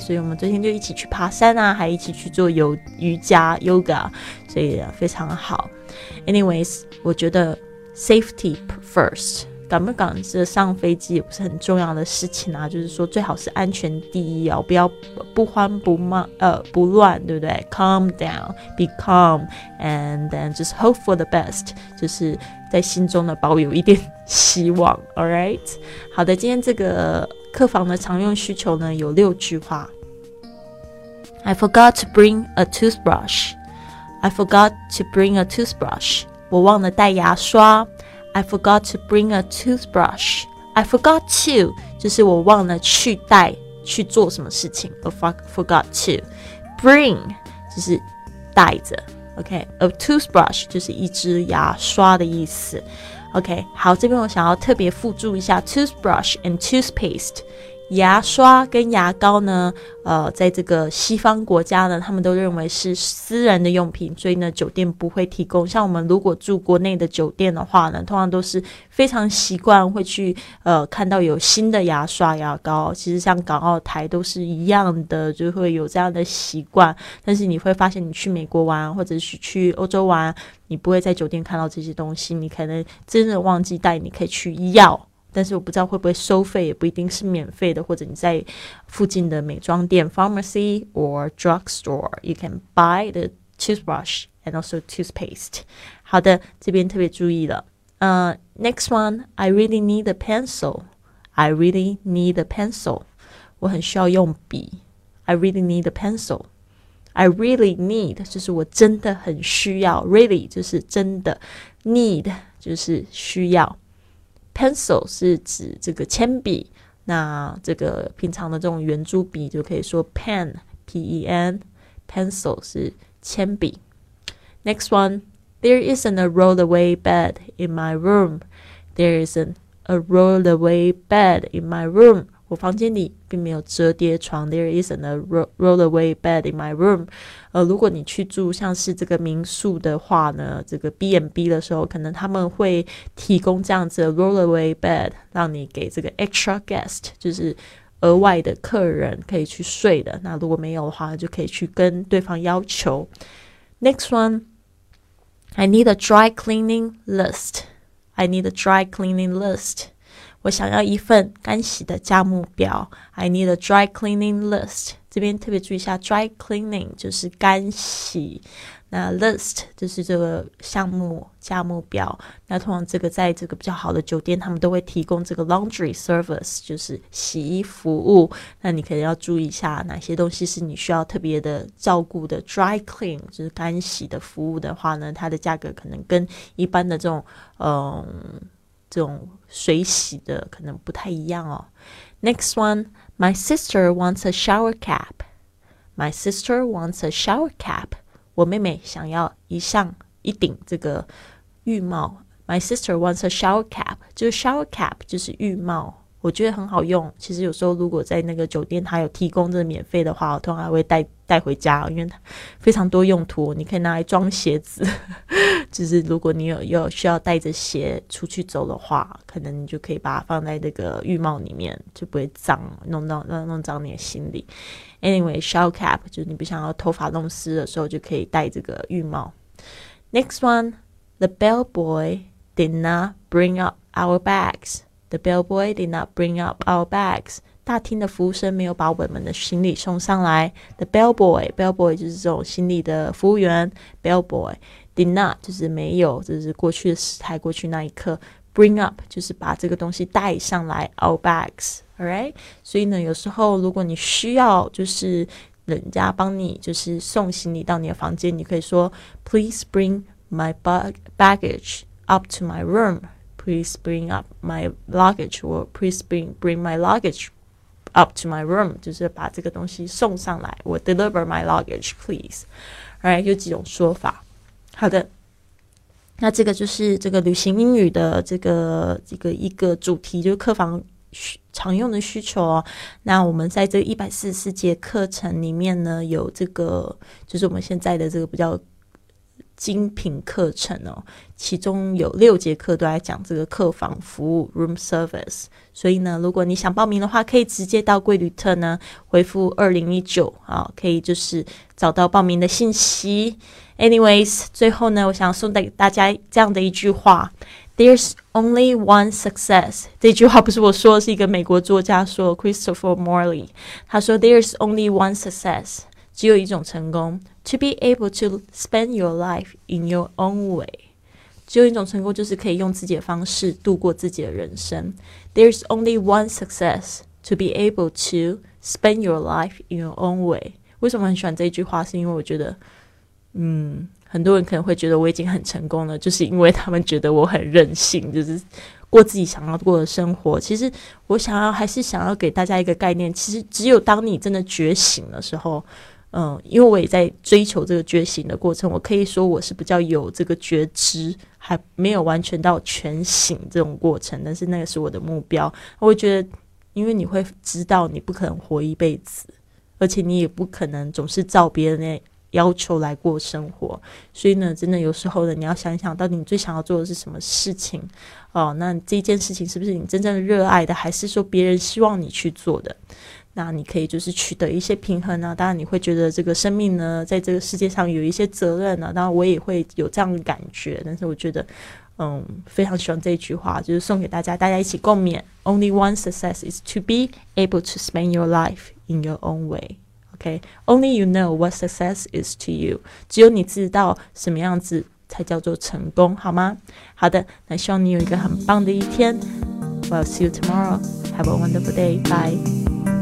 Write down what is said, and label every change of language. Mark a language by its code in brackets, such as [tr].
[zh] 所以我们昨天就一起去爬山啊，还一起去做瑜伽 yoga， 所以非常好。 anyways， 我觉得 [en] safety first， [zh] 赶不赶着上飞机也不是很重要的事情啊，就是说最好是安全第一哦，不要不慌不慢不乱，对不对？ [en] calm down， be calm， and then just hope for the best， [zh] 就是在心中的保有一点希望。 alright， 好的，今天这个客房的常用需求呢有六句话。 [en] I forgot to bring a toothbrush. I forgot to bring a toothbrush. [zh] 我忘了带牙刷。 [en] I forgot to bring a toothbrush. I forgot to [zh] 就是我忘了去带去做什么事情。 [en] I forgot to bring [zh] 就是带着。 OK， [en] a toothbrush [zh] 就是一支牙刷的意思。 OK， 好，这边我想要特别附注一下 [en] toothbrush and toothpaste。 [zh] 牙刷跟牙膏呢在这个西方国家呢他们都认为是私人的用品，所以呢酒店不会提供。像我们如果住国内的酒店的话呢，通常都是非常习惯会去看到有新的牙刷牙膏，其实像港澳台都是一样的，就会有这样的习惯。但是你会发现你去美国玩或者是去欧洲玩，你不会在酒店看到这些东西，你可能真的忘记带，你可以去要，但是我不知道会不会收费，也不一定是免费的，或者你在附近的美妆店 [en] pharmacy or drugstore you can buy the toothbrush and also toothpaste。 [zh] 好的，这边特别注意了。 [en] Next one， I really need a pencil. I really need a pencil. [zh] 我很需要用笔。 [en] I really need a pencil. I really need [zh] 就是我真的很需要， really 就是真的， need 就是需要。 Pencil 是指这个铅笔，那这个平常的这种圆珠笔就可以说 pen， P-E-N， pencil 是铅笔。 [en] Next one， There isn't a rollaway bed in my room. There isn't a rollaway bed in my room. [zh] 我房间里并没有折叠床。 [en] There isn't a rollaway bed in my room. [zh] 如果你去住像是这个民宿的话呢，这个 B&B 的时候，可能他们会提供这样子的 rollaway bed， 让你给这个 extra guest， 就是额外的客人可以去睡的。那如果没有的话，就可以去跟对方要求。 [en] Next one， I need a dry cleaning list. I need a dry cleaning list. [zh] 我想要一份干洗的价目表。 [en] I need a dry cleaning list。 [zh] 这边特别注意一下， dry cleaning 就是干洗，那 list 就是这个项目价目表。那通常这个在这个比较好的酒店他们都会提供这个 laundry service， 就是洗衣服务。那你可能要注意一下哪些东西是你需要特别的照顾的。 dry clean 就是干洗的服务的话呢，它的价格可能跟一般的这种水洗的可能不太一样哦。 [en] Next one， My sister wants a shower cap. My sister wants a shower cap. [zh] 我妹妹想要一顶这个浴帽。 [en] My sister wants a shower cap， [zh] 就是 shower cap 就是浴帽，我觉得很好用。其实有时候如果在那个酒店他有提供这个免费的话，我通常还会带回家，因为非常多用途，你可以拿来装鞋子就是如果你有需要带着鞋出去走的话，可能你就可以把它放在那个浴帽里面，就不会脏，弄脏你的行李。 Anyway, shower cap 就是你不想要头发弄湿的时候，就可以戴这个浴帽。 [en] Next one, the bellboy did not bring up our bags. The bellboy did not bring up our bags. [zh] 大厅的服务生没有把我们的行李送上来。The bellboy 就是这种行李的服务员。 [en] Bellboy did not [zh] 就是没有，就是过去的时态，过去那一刻。 Bring up 就是把这个东西带上来。 [en] Our bags, all right? [zh] 所以呢，有时候如果你需要就是人家帮你就是送行李到你的房间，你可以说 [en] Please bring my baggage up to my room. Please bring up my luggage or please bring my luggage. Up to my room, [zh] 就是把这个东西送上来。 [en] 我 deliver my luggage, please. [zh] Alright, 有几种说法。好的，那这个就是这个旅行英语的这个一个主题，就是客房常用的需求哦。那我们在这144节课程里面呢，有这个就是我们现在的这个比较精品课程哦，其中有六节课都在讲这个客房服务 room service。所以呢，如果你想报名的话，可以直接到贵旅特呢回复2019啊，可以就是找到报名的信息。 Anyways, 最后呢，我想送给大家这样的一句话 ： [en] There's only one success。 [zh] 这句话不是我说，是一个美国作家说 ，Christopher Morley。他说 [en] ：“There's only one success。” [zh] 只有一种成功 [en] ，to be able to spend your life in your own way。 [zh] 只有一种成功，就是可以用自己的方式度过自己的人生。 [en] There's only one success, to be able to spend your life in your own way. [zh] 为什么很喜欢这句话？是因为我觉得，很多人可能会觉得我已经很成功了，就是因为他们觉得我很任性，就是过自己想要过的生活。其实我想要还是想要给大家一个概念，其实只有当你真的觉醒的时候，因为我也在追求这个觉醒的过程，我可以说我是比较有这个觉知，还没有完全到全醒这种过程，但是那个是我的目标。我觉得因为你会知道你不可能活一辈子，而且你也不可能总是照别人的要求来过生活，所以呢真的有时候呢，你要想一想到底你最想要做的是什么事情哦，那这件事情是不是你真正热爱的，还是说别人希望你去做的，那你可以就是取得一些平衡啊。当然你会觉得这个生命呢在这个世界上有一些责任啊，当然我也会有这样的感觉，但是我觉得非常喜欢这一句话，就是送给大家，大家一起共勉。 [en] Only one success is to be able to spend your life in your own way. OK, only you know what success is to you. [zh] 只有你知道什么样子才叫做成功，好吗？好的，那希望你有一个很棒的一天。 [en] Well, see you tomorrow. Have a wonderful day. Bye.